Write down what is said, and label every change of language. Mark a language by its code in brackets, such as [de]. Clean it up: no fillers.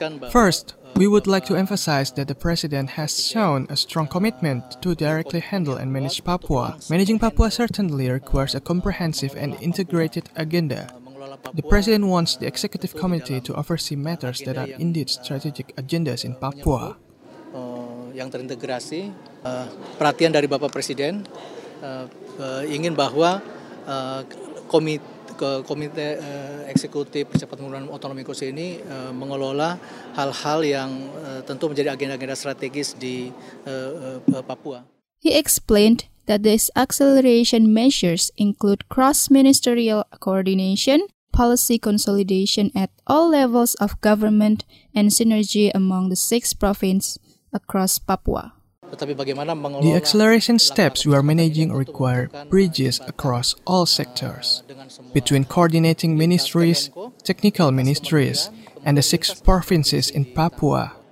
[en] First, we would like to emphasize that the President has shown a strong commitment to directly handle and manage Papua. Managing Papua certainly requires a comprehensive and integrated agenda. The President wants the Executive Committee to oversee matters that are indeed strategic agendas in Papua. [id] Yang terintegrasi, perhatian dari Bapak Presiden ingin bahwa komite Komite Eksekutif Percepatan Pembangunan Otonomi Khusus ini mengelola hal-hal yang tentu menjadi agenda-agenda strategis di Papua. [en] He explained that these acceleration measures include cross-ministerial coordination, policy consolidation at all levels of government, and synergy among the 6 provinces across Papua. The acceleration steps we are managing require bridges across all sectors, between coordinating ministries, technical ministries, and the 6 provinces in Papua.